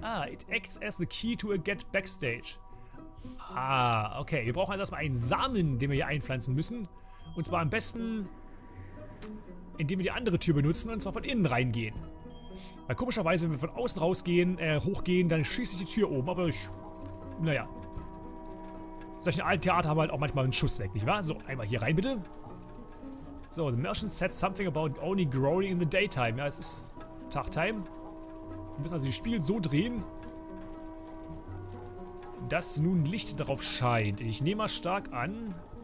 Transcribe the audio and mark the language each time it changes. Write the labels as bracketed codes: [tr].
[en] Ah, it acts as the key to a get backstage. Ah, okay. [de] Wir brauchen also erstmal einen Samen, den wir hier einpflanzen müssen. Und zwar am besten, indem wir die andere Tür benutzen und zwar von innen reingehen. Weil komischerweise, wenn wir von außen rausgehen, hochgehen, dann schließt sich die Tür oben. Aber ich, naja. Solche alten Theater haben halt auch manchmal einen Schuss weg, nicht wahr? So, einmal hier rein, bitte. [en] So, the merchant said something about only growing in the daytime. [de] Ja, es ist Tagtime. Wir müssen also das Spiel so drehen, dass nun Licht darauf scheint. Ich nehme mal stark an.